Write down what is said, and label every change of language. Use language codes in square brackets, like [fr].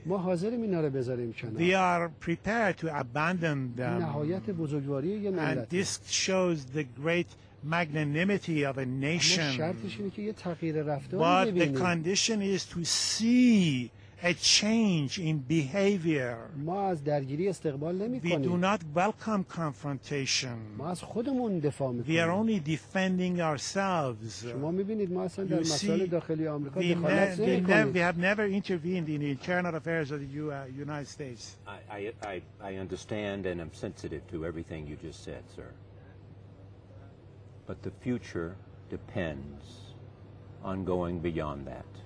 [en] We are prepared to abandon them. And this shows the great magnanimity of a nation. But the condition is to see a change in behavior. [fa] ما از درگیری استقبال نمی کنیم. [en] We do not welcome confrontation. [fa] ما از خودمون دفاع می کنیم. [en] We are only defending ourselves. [fa] شما می بینید ما اصلا در مسائل داخلی آمریکا دخالت نمی کنیم. [en] We have never intervened in the internal affairs of the United States. I understand and am sensitive to everything you just said, sir. But the future depends on going beyond that.